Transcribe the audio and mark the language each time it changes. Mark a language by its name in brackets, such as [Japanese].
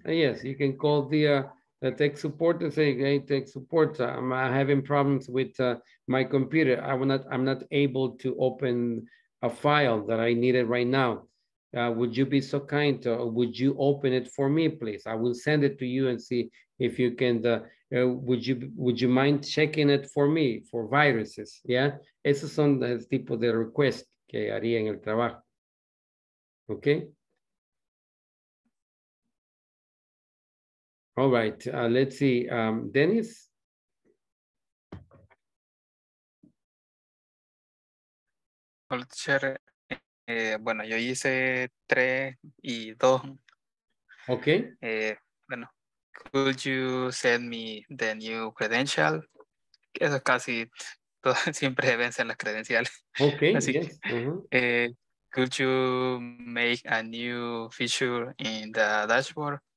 [English] You can call the tech support and say, hey, tech support, I'm having problems with my computer. I'm not able to open a file that I needed right now. Would you be so kind to, would you open it for me, please? I will send it to you and see if you can, would you mind checking it for me for viruses? [Spanish] Yeah, esos son los tipos de request que haría en el trabajo. Okay. [English] All right, let's see, Dennis. [Spanish] Hola, teacher. Bueno, yo hice 3 y 2. [English] Okay. Bueno, could you send me the new credential? [Spanish] Eso es casi todo, siempre vencen las credenciales. [English] Okay. Así, yes. Uh-huh. Could you make a new feature in the dashboard?